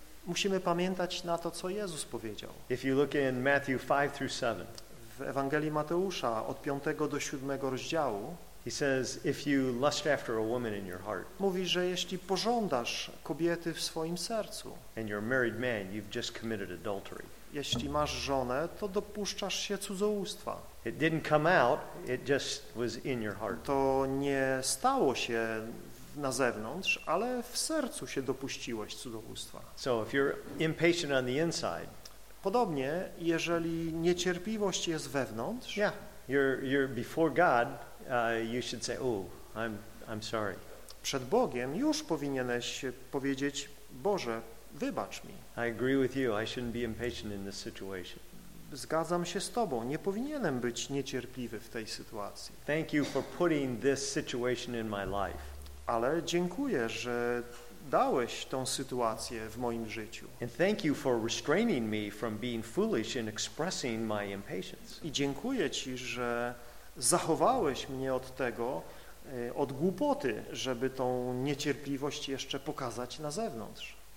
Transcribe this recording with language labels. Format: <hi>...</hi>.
<pl>Musimy pamiętać na to, co Jezus powiedział.</pl> <en>If you look in Matthew 5 through 7.</en> <pl>W Ewangelii Mateusza od 5 do 7 rozdziału.</pl> <en>He says, if you lust after a woman in your heart.</en> <pl>Mówi, że jeśli pożądasz kobiety w swoim sercu.</pl> <en>And you're a married man, you've just committed adultery.</en> <pl>Jeśli masz żonę, to dopuszczasz się cudzołóstwa.</pl> <en>It didn't come out, it just was in your heart.</en> <pl>To nie stało się na zewnątrz, ale w sercu się dopuściłeś cudzołóstwa.</pl> <en>So if you're impatient on the inside.</en> <pl>Podobnie, jeżeli niecierpliwość jest wewnątrz.</pl> <en>Yeah, you're before God, you should say, I'm sorry.</en> <pl>Przed Bogiem już powinieneś powiedzieć, Boże, wybacz mi.</pl> <en>I agree with you. I shouldn't be impatient in this situation.</en> <pl>Zgadzam się z Tobą. Nie powinienem być niecierpliwy w tej sytuacji.</pl> <en>Thank you for putting this situation in my life.</en> <pl>Ale dziękuję, że dałeś tą sytuację w moim życiu.</pl> <en>And thank you for restraining me from being foolish in expressing my impatience.</en> <pl>I dziękuję Ci, że zachowałeś mnie od tego, od głupoty, żeby tą niecierpliwość jeszcze pokazać na zewnątrz.</pl>